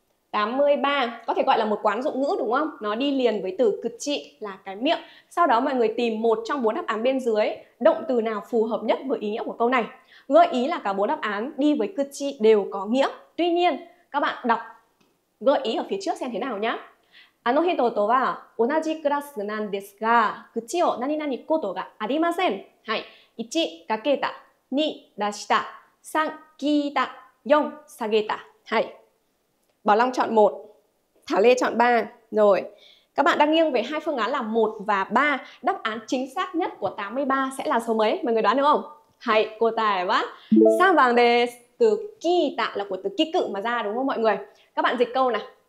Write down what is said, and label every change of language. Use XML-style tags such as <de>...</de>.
<vi>83 có thể gọi là một quán dụng ngữ đúng không? Nó đi liền với từ cực trị là cái miệng. Sau đó mọi người tìm một trong bốn đáp án bên dưới, động từ nào phù hợp nhất với ý nghĩa của câu này. Gợi ý là cả bốn đáp án đi với cực trị đều có nghĩa. Tuy nhiên, các bạn đọc gợi ý ở phía trước xem thế nào nhé.</vi> <ja>あの人とは同じクラスなんですが、口を何々ことがありません。はい。 1 かけた 2 出した 3 聞いた 4 下げた はい。</ja> <vi>Bảo Long chọn 1, Thảo Lê chọn 3. Rồi, các bạn đang nghiêng về hai phương án là 1 và 3. Đáp án chính xác nhất của 83 sẽ là số mấy? Mọi người đoán được không? Hãy cô tài quá. Sang vàng đề từ ki tạ là của từ ki cự mà ra đúng không mọi người? Các bạn dịch câu nè.</vi>